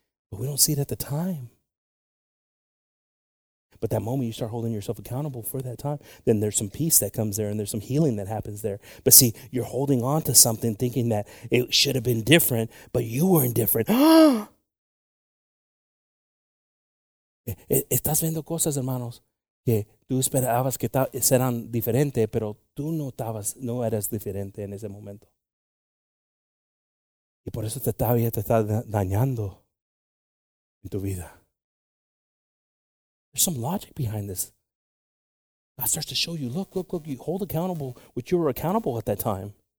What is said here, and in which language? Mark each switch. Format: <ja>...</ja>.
<en>But we don't see it at the time. But that moment you start holding yourself accountable for that time, then there's some peace that comes there and there's some healing that happens there. But see, you're holding on to something thinking that it should have been different, but you weren't different.</en> <es>Estás viendo cosas, hermanos, que tú esperabas que serán diferentes, pero tú notabas, no eras diferente en ese momento. Y por eso te está dañando en tu vida.</es> <en>There's some logic behind this. God starts to show you, look, you hold accountable what you were accountable at that time.</en>